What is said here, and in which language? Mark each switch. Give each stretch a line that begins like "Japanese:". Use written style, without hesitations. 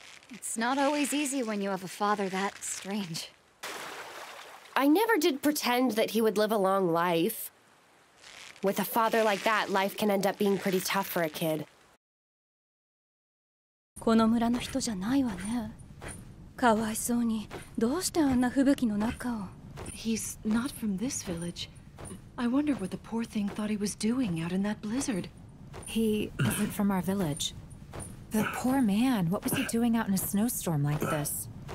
English: It's not always easy when you have a father that strange. I never did pretend that he would live a long life. With a father like that, life can end up being pretty tough for a kid.
Japanese: この村の人じゃないわね。かわいそうに、どうしてあんな吹雪の中を。
English: He's not from this village. I wonder what the poor thing thought he was doing out in that blizzard. He isn't from our village. The poor man, what was he doing out in a snowstorm like this?